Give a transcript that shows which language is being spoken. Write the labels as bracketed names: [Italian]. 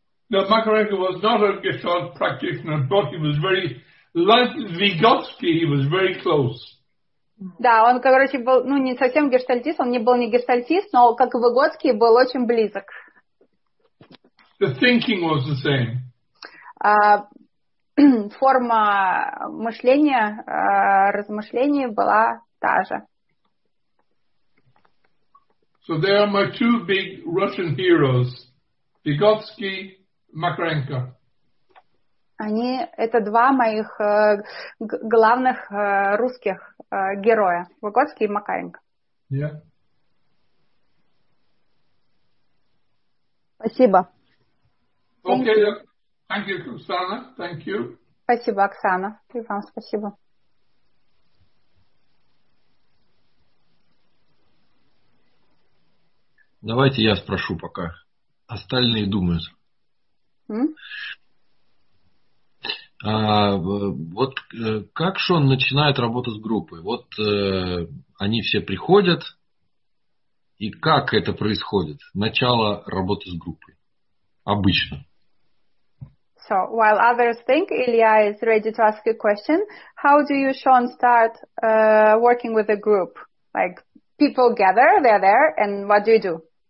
[English] No, Makarenko was not a Gestalt practitioner, but he was very, like Vygotsky, he was very close. [Russian] Да, он, короче, был, ну, не совсем гештальтист, он не был не гештальтист, но, как и Выгодский, был очень близок. [English] The thinking was the same. [Russian] Форма мышления, размышлений была та же. [English] So there are my two big Russian heroes, Vygotsky, Makarenko. [Russian] Они, это два моих главных русских героя, Выгодский и Макаренко. Yeah. Спасибо. [English] Okay, thank you, Оксана. Thank you. [Russian] Спасибо, Оксана. И вам спасибо. Давайте я спрошу пока. Остальные думают. А вот как Шон начинает работу с группой? Вот они все приходят, и как это происходит? Начало работы с группой. Обычно. [English] So, while others think Илья is ready to ask a question, how do you, Шон, start working with a group? Like, people gather, they're there, and what do you do?